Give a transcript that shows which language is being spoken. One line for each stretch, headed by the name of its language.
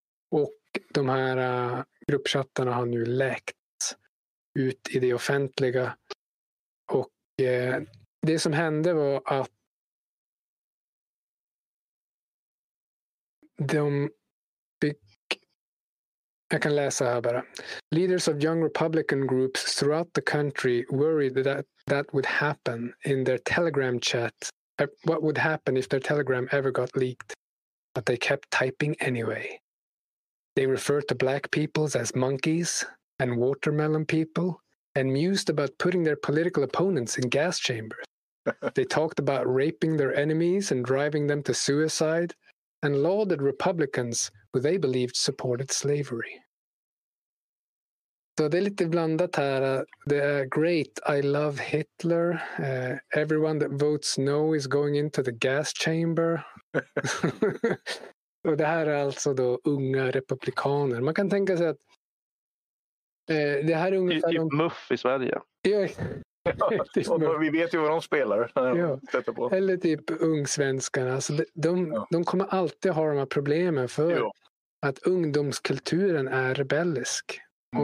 Swedish: Och de här gruppchattarna har nu läckt ut i det offentliga. Och det som hände var att de fick, jag kan läsa här bara.
English: Leaders of young Republican groups throughout the country worried that would happen in their Telegram chat. What would happen if their Telegram ever got leaked? But they kept typing anyway. They referred to black peoples as monkeys and watermelon people and mused about putting their political opponents in gas chambers. They talked about raping their enemies and driving them to suicide, and lauded Republicans who they believed supported slavery.
Swedish: Så det är lite blandat här. Det är
English: great, I love Hitler. Everyone that votes no is going into the gas chamber.
Swedish: Och det här är alltså då unga republikaner. Man kan tänka sig att det här är ungefär... Typ muff i Sverige. Ja, ja, vi vet ju vad de spelar. Ja. På. Eller typ ungsvenskarna. Alltså de kommer alltid ha de här problemen för att ungdomskulturen är rebellisk. Mm.